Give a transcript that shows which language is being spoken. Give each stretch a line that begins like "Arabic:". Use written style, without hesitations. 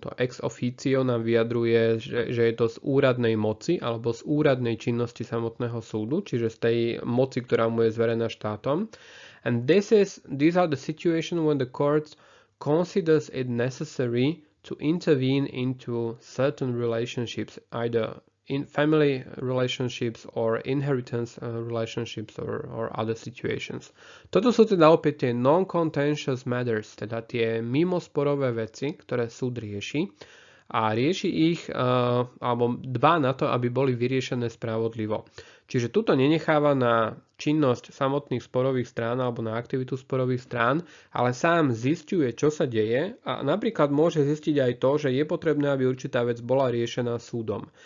Slovak: To ex officio nám vyjadruje, že je to z úradnej moci alebo z úradnej činnosti samotného súdu, čiže z tej moci, ktorá mu je zverená štátom.
English: And these are the situation when the court considers it necessary to intervene into certain relationships, either in family relationships or inheritance relationships or other situations.
Slovak: Toto sú teda opäť tie non-contentious matters, teda tie mimosporové veci, ktoré súd rieši a rieši ich, alebo dbá na to, aby boli vyriešené spravodlivo. Čiže tuto nenecháva na činnosť samotných sporových strán alebo na aktivitu sporových strán, ale sám zisťuje, čo sa deje a napríklad môže zistiť aj to, že je potrebné, aby určitá vec bola riešená súdom.